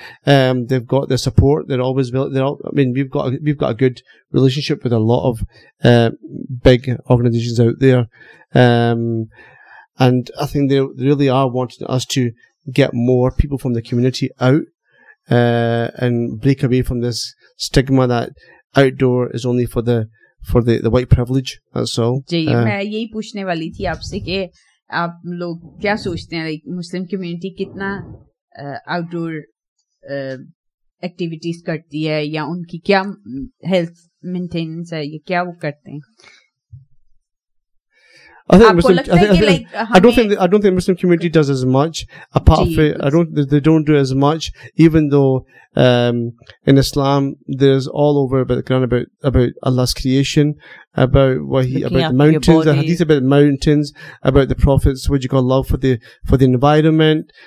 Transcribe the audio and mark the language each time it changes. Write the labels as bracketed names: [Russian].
[English] They've got their support. We've got a good relationship with a lot of big organisations out there, and I think they really are wanting us to get more people from the community out and break away from this stigma that outdoor is only for the white privilege. That's all. [Hindi] जी मैं यही पूछने वाली थी आपसे कि आप लोग क्या सोचते हैं लाइक मुस्लिम कम्युनिटी कितना आउटडोर एक्टिविटीज करती है या उनकी क्या हेल्थ मेंटेनेंस है ये क्या वो करते हैं [English] I don't think Muslim community does as much. They don't do as much. Even though in Islam, there's all over about the Quran about Allah's creation, about what he Looking about the mountains, body. The hadith about the mountains, about the prophets, what you call love for the environment.